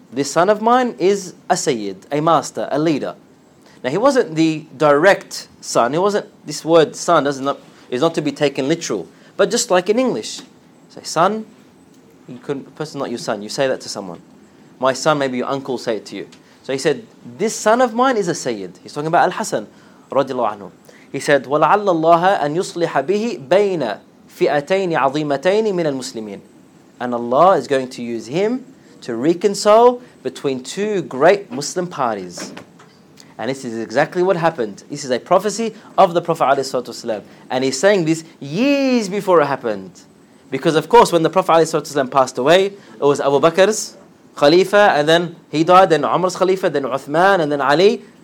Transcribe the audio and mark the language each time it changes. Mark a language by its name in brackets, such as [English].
[English] This son of mine is a Sayyid, a master, a leader. Now he wasn't the direct son, this word son is not to be taken literal. But just like in English, say son, person not your son, you say that to someone. My son, maybe your uncle say it to you. So he said, this son of mine is a Sayyid. He's talking about Al-Hasan, radiallahu anhu. He said, [Arabic] وَلَعَلَّ اللَّهَ أَن يُصْلِحَ بِهِ بَيْنَ فِئَتَيْنِ عَظِيمَتَيْنِ مِنَ الْمُسْلِمِينَ. [English] And Allah is going to use him to reconcile between two great Muslim parties. And this is exactly what happened. This is a prophecy of the Prophet ﷺ. And he's saying this years before it happened. Because of course, when the Prophet ﷺ passed away, it was Abu Bakr's Khalifa, and then he died, then Umar's Khalifa, then Uthman, and then Ali.